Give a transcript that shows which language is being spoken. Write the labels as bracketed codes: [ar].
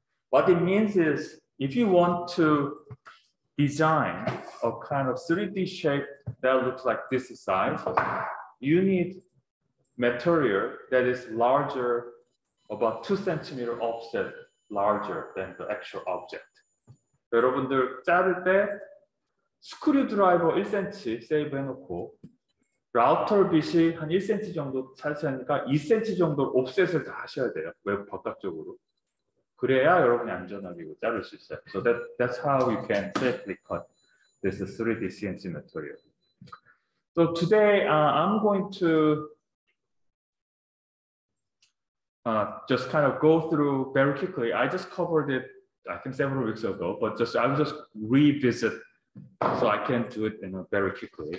[en] What it means is, if you want to design a kind of 3D shape that looks like this size, you need material that is larger, about 2 centimeter offset larger than the actual object. [ko] 여러분들 자를 때 스크류드라이버 1cm 세이브 해놓고 라우터 빗이 한 1cm 정도 차지하니까 2cm 정도 옵셋을 다 하셔야 돼요. 외부 바깥쪽으로. 그래야 여러분이 안전하게 이거 자를 수 있어요. [en] So that's how you can safely cut this 3D CNC material. So today I'm going to just kind of go through very quickly. I just covered it, I think several weeks ago, but I'll just revisit so I can do it in a very quickly.